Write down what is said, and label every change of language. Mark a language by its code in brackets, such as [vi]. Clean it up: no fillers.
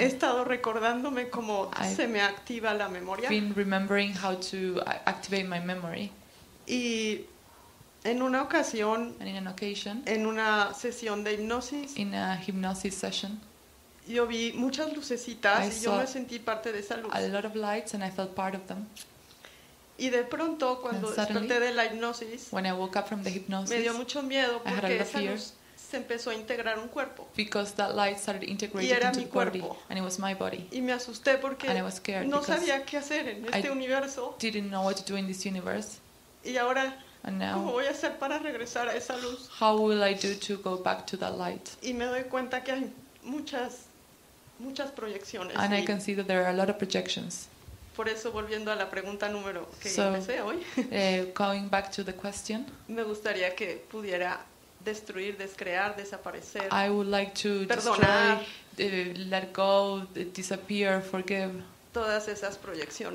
[es] He estado recordándome cómo se me activa la memoria. [en] Been remembering how to activate my memory. [es] Y en una ocasión, [en] and in an occasion, [es] en una sesión de hipnosis, [en] in a hypnosis session, [es] yo vi muchas lucecitas y yo me sentí parte de esa luz. [en] A lot of lights and I felt part of them. [es] Y de pronto cuando desperté de la hipnosis, [en] when I woke up from the hypnosis, [es] me dio mucho miedo porque [en] I had a lot of fear. [es] Se empezó a integrar un cuerpo. [en] Because that light started integrating into [es] mi cuerpo. [en] Body, and it was my body. [es] Y me asusté porque [en] and I was scared [es] no sabía qué hacer en este [en] I [es] universo. [en] Didn't know what to do in this universe. [es] Y ahora [en] and now, [es] ¿cómo voy a hacer para regresar a esa luz? [en] How will I do to go back to that light? [es] Y me doy cuenta que hay muchas muchas proyecciones. [en] And I can see that there are a lot of projections. [es] Por eso volviendo a la pregunta número que [en] so, [es] empecé hoy. [en] Going back to the question. [es] Me gustaría que pudiera destruir, descrear, desaparecer. [en] I would like to [es] perdonar, [en] destroy, let go, disappear, forgive. [es] Todas esas proyecciones.